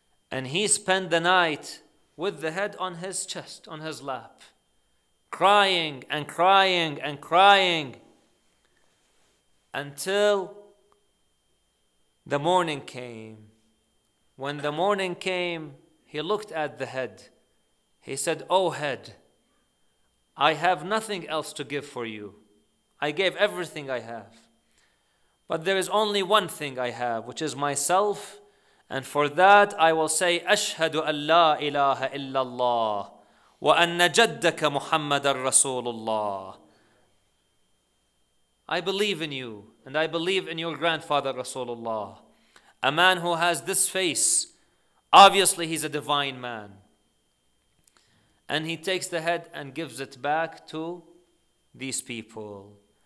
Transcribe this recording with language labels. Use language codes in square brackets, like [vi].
[en] And he spent the night with the head on his chest, on his lap, crying and crying and crying until the morning came. When the morning came, he looked at the head. He said, oh head, I have nothing else to give for you. I gave everything I have. But there is only one thing I have, which is myself And for that I will say, [ar] أشهد أن لا إله إلا الله وأن جدك محمد رسول الله. [en] I believe in you, and I believe in your grandfather Rasulullah. A man who has this face, obviously he's a divine man. And he takes the head and gives it back to these people.